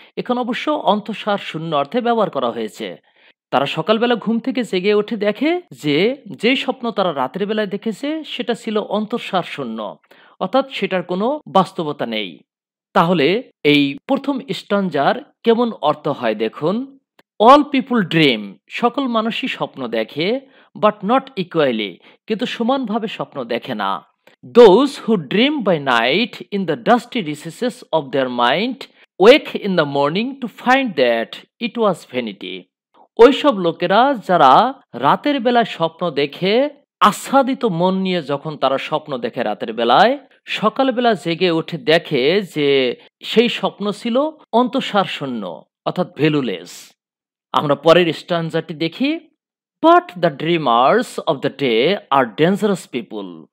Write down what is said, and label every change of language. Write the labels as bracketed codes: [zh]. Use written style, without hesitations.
[bn] এখন অবশ্য অন্তঃসার শূন্য অর্থে ব্যবহার করা হয়েছে। তারা সকালবেলা ঘুম থেকে জেগে উঠে দেখে যে স্বপ্ন তারা রাতের বেলায় দেখেছে সেটা ছিল অন্তঃসার শূন্য, অর্থাৎ সেটার কোনো বাস্তবতা নেই। তাহলে এই প্রথম স্টানজার কেমন অর্থ হয় দেখুন। [en] all people dream, [bn] সকল মানুষই স্বপ্ন দেখে, [en] but not equally, [bn] কিন্তু সমানভাবে স্বপ্ন দেখে না। [en] Those who dream by night in the dusty recesses of their mind wake in the morning to find that it was vanity. [bn] ওই সব লোকেরা যারা রাতের বেলা স্বপ্ন দেখে আচ্ছাদিত মন নিয়ে যখন তারা স্বপ্ন দেখে রাতের বেলায় সকালবেলা জেগে উঠে দেখে যে সেই স্বপ্ন ছিল অন্তঃসার শূন্য অর্থাৎ ভ্যালুলেস আমরা পরের স্টানজাটি দেখি [en] but the dreamers of the day are dangerous people